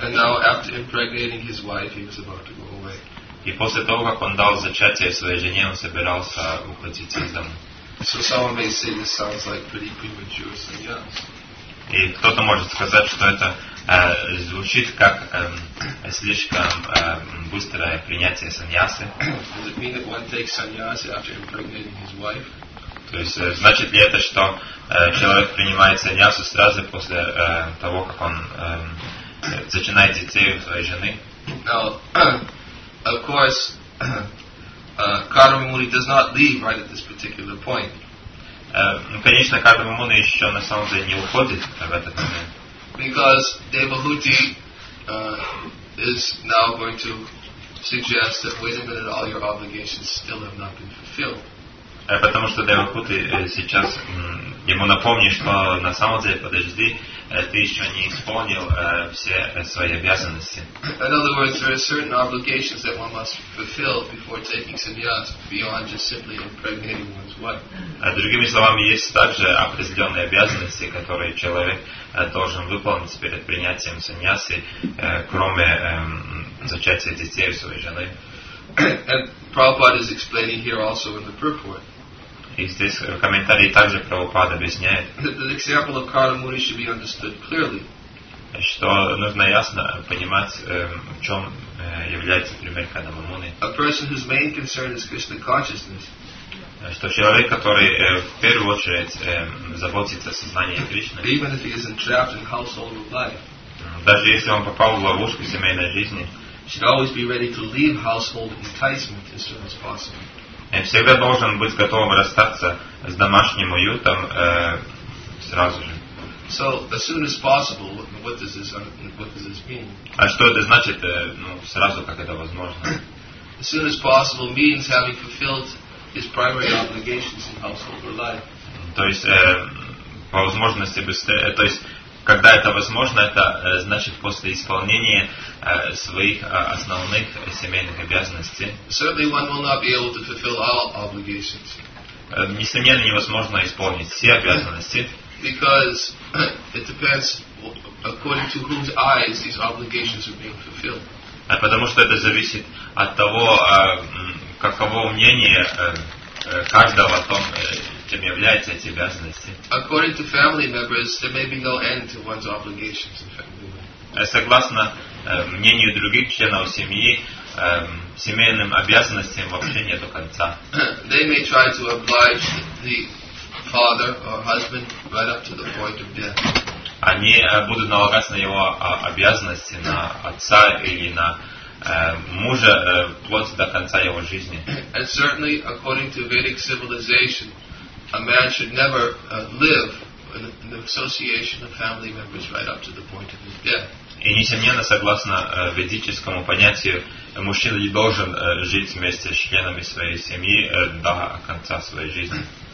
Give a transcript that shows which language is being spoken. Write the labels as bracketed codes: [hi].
[en] And now, after impregnating his wife, he was about to go away. [ru] И после того, как он дал зачатие своей жене, он собирался уходить из дома. [en] So someone may say this sounds like pretty premature sannyas. [ru] И кто-то может сказать, что это звучит как слишком быстрое принятие саньясы. [en] Does it mean that one takes sannyasi after impregnating his wife? [ru] То есть значит ли это, что человек принимает саньясу сразу после того, как он зачинает детей у своей жены? [en] Now, of course, Кардамамуни does not leave right at this particular point. [ru] Конечно, Кардамамуни еще на самом деле не уходит в этот момент. [en] Because Devahuti is now going to suggest that, wait a minute, all your obligations still have not been fulfilled. [ru] Потому что Девахута сейчас ему напомнит, что на самом деле, подожди, ты еще не исполнил все свои обязанности. [en] In other words, there are certain obligations that one must fulfill before taking sannyas beyond just simply impregnating one's wife. [ru] Другими словами, есть также определенные обязанности, которые человек должен выполнить перед принятием сannyasi, кроме зачатия детей у своей жены. [en] And Prabhupada is explaining here also in the purport. [ru] И здесь в комментарии также Прабхупада объясняет, [en] the example of Karna Muni should be understood clearly. [ru] Что нужно ясно понимать, в чем является пример Karna Muni. [en] A person whose main concern is Krishna consciousness. [ru] Что человек, который в первую очередь заботится о сознании Кришны. [en] Even if he is entrapped in household life. [ru] Даже если он попал в ловушку семейной жизни. [en] Should always be ready to leave household enticement as soon as possible. [ru] И всегда должен быть готовым расстаться с домашним уютом сразу же. [en] So, as soon as possible, what does this mean? [ru] А что это значит, сразу, как это возможно? [en] As soon as possible means having fulfilled his primary obligations in household life. [ru] То есть, по возможности быстрее, то есть, когда это возможно, это значит после исполнения своих основных семейных обязанностей. [en] Certainly one will not be able to fulfill all obligations. [ru] Несомненно, невозможно исполнить все обязанности. [en] Because it depends according to whose eyes these obligations are being fulfilled. [ru] Потому что это зависит от того, каково мнение каждого о том, чем являются эти обязанности. [en] According to family members, there may be no end to one's obligations in family. [ru] Согласно мнению других членов семьи, семейным обязанностям вообще нет конца. [en] They may try to oblige the father or husband right up to the point of death. [ru] Они будут налагать на его обязанности, на отца или на мужа вплоть до конца его жизни. [en] And certainly, according to Vedic civilization, a man should never live in the association of family members right up to the point of his death. [ru] И несомненно, согласно ведическому понятию, мужчина не должен жить вместе с членами своей семьи до конца своей жизни.